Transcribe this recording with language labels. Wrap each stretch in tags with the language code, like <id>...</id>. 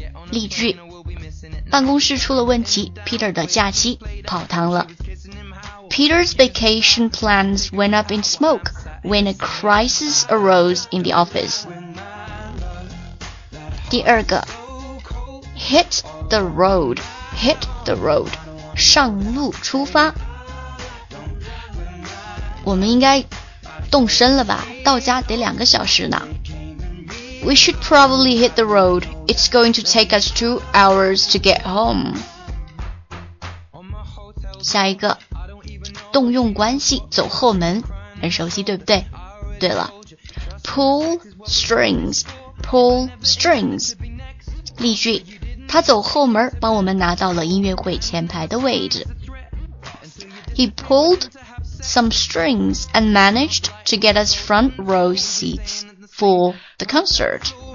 <zh>例句，办公室出了问题， Peter 的假期泡汤了。</zh> <en>Peter's vacation plans went up in smoke when a crisis arose in the office.</en> <zh>第二个</zh> <en>Hit the road, hit the road,</en> <zh>上路出发。我们应该动身了吧？到家得两个小时呢。</zh> <en>We should probably hit the road. It's going to take us 2 hours to get home.</en> <zh>下一个，动用关系，走后门，很熟悉，对不对？对了</zh> <en>，pull strings, pull strings. 例句。</en> <zh>他走后门帮我们拿到了音乐会前排的位置。</zh> <en>He pulled some strings and managed to get us front row seats for the concert.</en>